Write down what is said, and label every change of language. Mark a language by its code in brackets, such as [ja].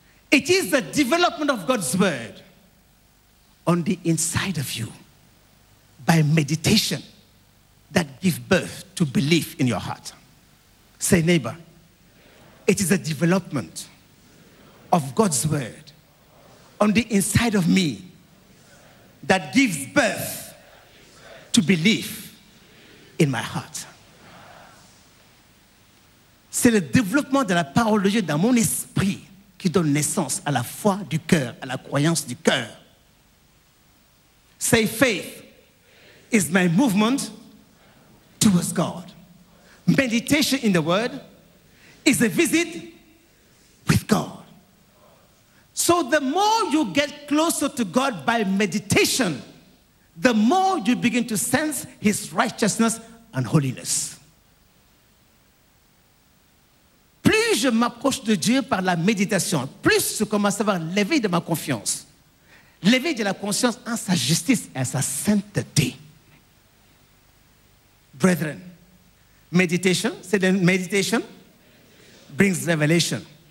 [en] It is the development of God's word on the inside of you by meditation that gives birth to belief in your heart. Say, neighbor, it is the development of God's word on the inside of me that gives birth to belief in my heart. [fr] C'est le développement de la parole de Dieu dans mon esprit qui donne naissance à la foi du cœur, à la croyance du cœur. [en] Say, faith is my movement towards God. Meditation in the word is a visit with God. So the more you get closer to God by meditation, the more you begin to sense his righteousness and holiness. [fr] Plus je m'approche de Dieu par la méditation, plus je commence à avoir l'éveil de ma confiance, l'éveil de la conscience en sa justice et en sa sainteté. [en] Brethren, meditation, say then meditation brings revelation.